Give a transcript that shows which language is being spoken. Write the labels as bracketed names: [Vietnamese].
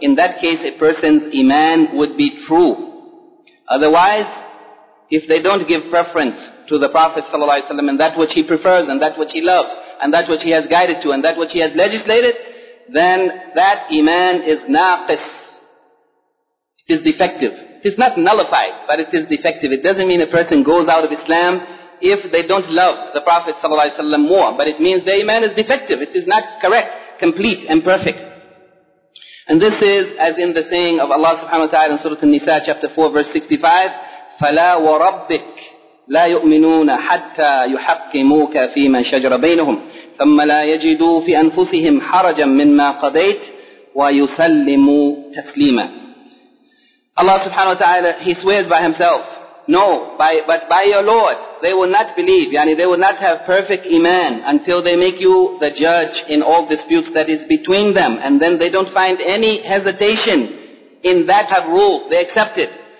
[English] In that case, a person's iman would be true. Otherwise, if they don't give preference to the Prophet sallallahu alaihi wasallam and that which he prefers and that which he loves and that which he has guided to and that which he has legislated, then that iman is naqis. It is defective. It is not nullified, but it is defective. It doesn't mean a person goes out of Islam if they don't love the Prophet ﷺ more. But it means the Iman is defective. It is not correct, complete and perfect. And this is as in the saying of Allah subhanahu wa ta'ala in Surah An-Nisa chapter 4 verse 65, [Arabic] فَلَا وَرَبِّكَ لَا يُؤْمِنُونَ حَتَّى يُحَكِّمُوكَ فِي مَا شَجْرَ بَيْنُهُمْ ثَمَّ لَا يَجِدُوا فِي أَنفُسِهِمْ حَرَجًا مِّمَّا قَضَيْتْ وَيُسَلِّمُوا تَسْلِيمًا. [English] Allah subhanahu wa ta'ala, He swears by Himself. No, but by your Lord, they will not believe. Yani, they will not have perfect Iman until they make you the judge in all disputes that is between them. And then they don't find any hesitation in that have ruled. They accept it.